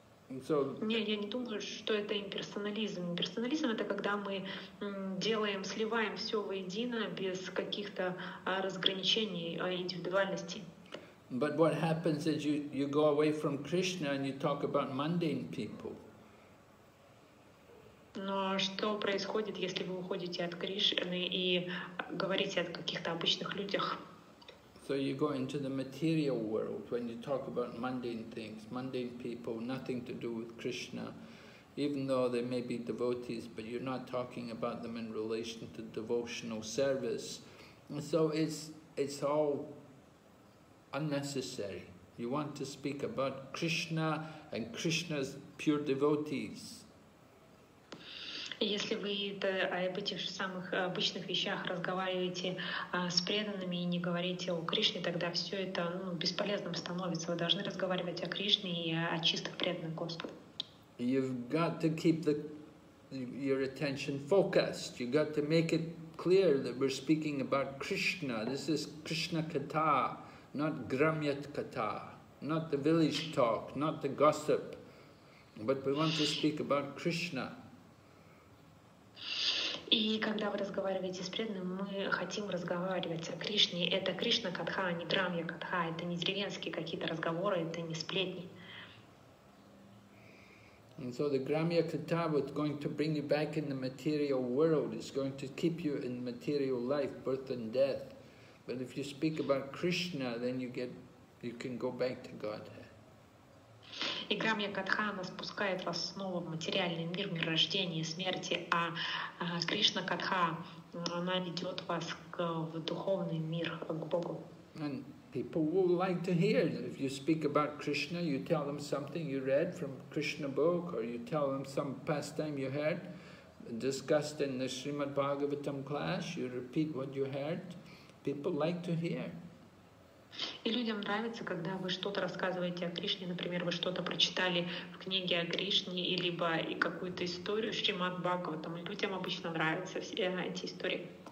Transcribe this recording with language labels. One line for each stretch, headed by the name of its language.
Russian: Нет, я не думаю, что это имперсонализм. Имперсонализм — это когда мы делаем, сливаем все воедино без каких-то разграничений индивидуальности.
English: But what happens is you go away from Krishna and you talk about mundane people.
Russian: Но что происходит, если вы уходите от Кришны и говорите о каких-то обычных людях?
English: So you go into the material world when you talk about mundane things, mundane people, nothing to do with Krishna, even though they may be devotees, but you're not talking about them in relation to devotional service. So it's all unnecessary. You want to speak about Krishna and Krishna's pure devotees.
Russian: Если вы об этих же самых обычных вещах разговариваете с преданными и не говорите о Кришне, тогда все это бесполезным становится. Вы должны разговаривать о Кришне и о чистых преданных Господа.
English: You've got to keep your attention focused. You've got to make it clear that we're speaking about Krishna. This is Krishna Katha, not Gramyat Katha, not the village talk, not the gossip, but we want to speak about Krishna.
Russian: И когда вы разговариваете с преданным, мы хотим разговаривать о Кришне. Это Кришна Катха, а не Драмья Катха. Это не деревенские какие-то разговоры, это не сплетни.
English: And so the Gramya Katha was going to bring you back in the material world. It's going to keep you in material life, birth and death. But if you speak about Krishna, then you can go back to Godhead.
Russian: И Грамья Катха, она спускает вас снова в материальный мир, мир рождения и смерти, а Кришна Катха, она ведет вас в духовный мир, к Богу.
English: And people will like to hear that if you speak about Krishna, you tell them something you read from Krishna book, or you tell them some pastime you heard, discussed in the Srimad Bhagavatam class, you repeat what you heard, people like to hear.
Russian: И людям нравится, когда вы что-то рассказываете о Кришне, например, вы что-то прочитали в книге о Кришне, либо какую-то историю Шримад Бхагаватам. Людям обычно нравятся все эти истории.